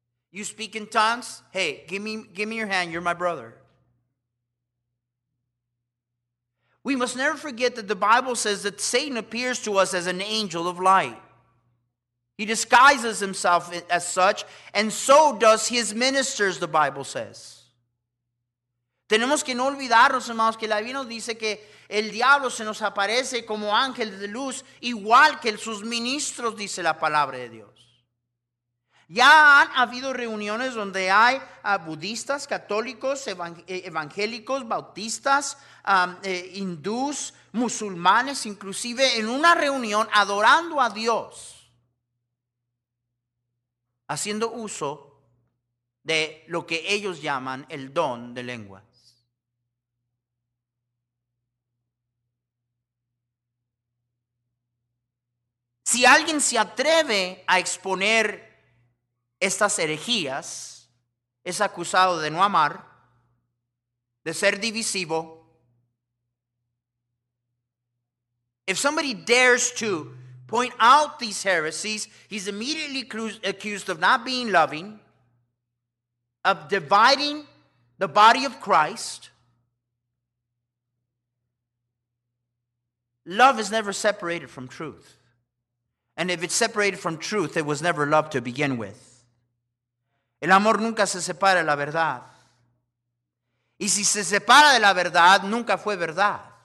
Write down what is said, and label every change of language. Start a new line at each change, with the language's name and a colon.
English: You speak in tongues? Hey, give me your hand. You're my brother. We must never forget that the Bible says that Satan appears to us as an angel of light. He disguises himself as such, and so does his ministers, the Bible says.
Spanish: Tenemos que no olvidarnos, hermanos, que la Biblia nos dice que el diablo se nos aparece como ángel de luz, igual que sus ministros, dice la palabra de Dios. Ya han habido reuniones donde hay budistas, católicos, evangélicos, bautistas, hindús, musulmanes, inclusive en una reunión adorando a Dios, haciendo uso de lo que ellos llaman el don de lenguas. Si alguien se atreve a exponer estas herejías, es acusado de no amar, de ser divisivo.
English: If somebody dares to point out these heresies, he's immediately accused of not being loving, of dividing the body of Christ. Love is never separated from truth. And if it's separated from truth, it was never love to begin with.
Spanish: El amor nunca se separa de la verdad. Y si se separa de la verdad, nunca fue verdad.